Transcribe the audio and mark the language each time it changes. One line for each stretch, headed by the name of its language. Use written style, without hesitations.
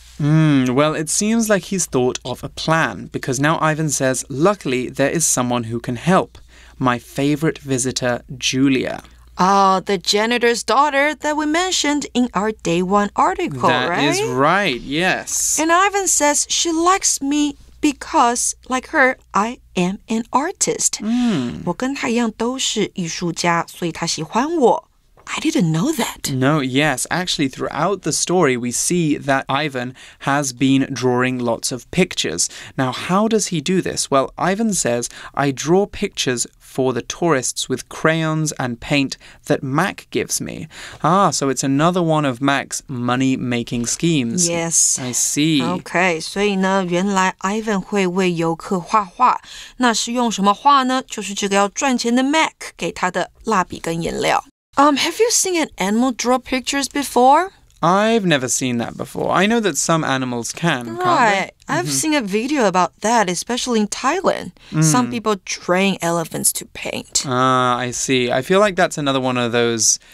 English: Well, it seems like he's thought of a plan, because now Ivan says, luckily, there is someone who can help. My favorite visitor, Julia. Oh, the janitor's daughter that we mentioned in our day one article, that right? That is right, yes. And Ivan says, she likes me because, like her, I am an artist.
Chinese: 我跟她一样都是艺术家，所以她喜欢我。
English: I didn't know that. No, yes. Actually, throughout the story, we see that Ivan has been drawing lots of pictures. Now, how does he do this? Well, Ivan says, I draw pictures for the tourists with crayons and paint that Mac gives me. Ah, so it's another one of Mac's money-making schemes. Yes. I see.
Chinese: Okay, 所以呢，原来 Ivan 会为游客画画。那是用什么画呢？就是这个要赚钱的 Mac 给他的蜡笔跟颜料。
English: Have you seen an animal draw pictures before? I've never seen that before. I know that some animals can, can't they? Right. I've seen a video about that, especially in Thailand. Some people train elephants to paint. I see. I feel like that's another one of those...